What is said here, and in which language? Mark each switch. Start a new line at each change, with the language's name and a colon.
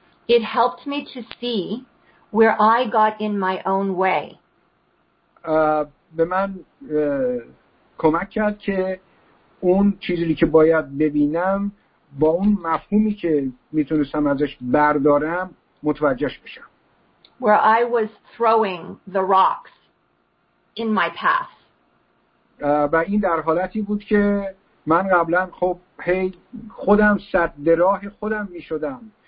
English: It helped me to see where I got in my own way.
Persian: به من کمک کرد که اون چیزی که باید ببینم با اون مفهومی که میتونستم ازش بردارم متوجهش بشم.
English: Where I was throwing the rocks in my path.
Persian: و این در حالتی بود که من قبلا خب هی خودم سد راه خودم میشدم.